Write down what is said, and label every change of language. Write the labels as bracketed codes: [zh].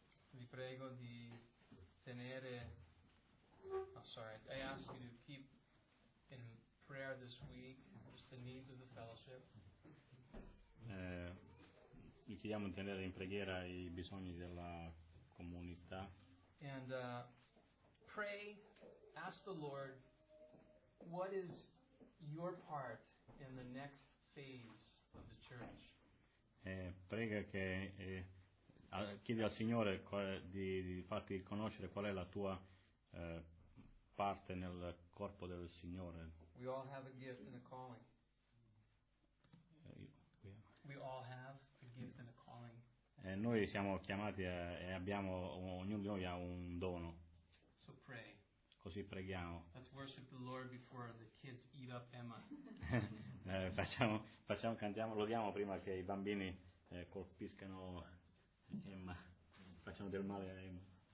[it] Vi prego di tenere, [en] I ask you to keep in prayer this week just the needs of the fellowship. [it] Vi chiediamo di tenere in preghiera i bisogni della comunità. [en] And pray. Ask the Lord, what is your part in the next phase of the church? [it] Prega che chiedi al Signore di farti conoscere qual è la tua parte nel corpo del Signore. [en] We all have a gift and a calling. We all have a gift and a calling. [it] Noi siamo chiamati e abbiamo, ognuno di noi ha un dono. [en] So pray. [it] Così preghiamo. [en] Let's worship the Lord before the kids eat up Emma. [it] facciamo cantiamo, lodiamo prima che i bambini colpiscano Emma. Facciamo del male a Emma.